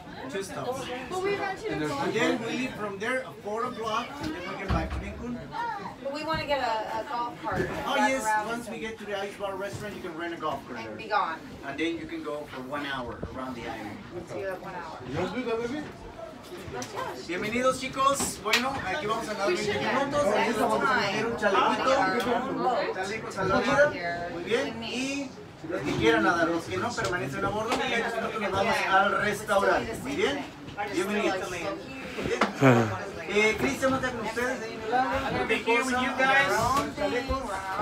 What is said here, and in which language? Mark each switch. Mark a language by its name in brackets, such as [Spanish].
[English] Two stops. But we rented a boat. And then we leave from there at 4 o'clock and then we get back to Cancun. But we want to get a golf cart. Oh yes, once we get to the ice bar restaurant, you can rent a golf cart. And be gone. And then you can go for 1 hour around the island. We'll see you at 1 hour. [Spanish] Bienvenidos chicos, bueno, aquí vamos a dar 20 minutos, aquí vamos a poner un chalequito, chalecos a la vida, muy bien, y los que quieran nadar, los que no permanecen a bordo, y los que nos vamos al restaurante, muy bien, bienvenidos, muy bien. Cristian, ¿cómo está con ustedes? [English] I'm going to be here with you guys.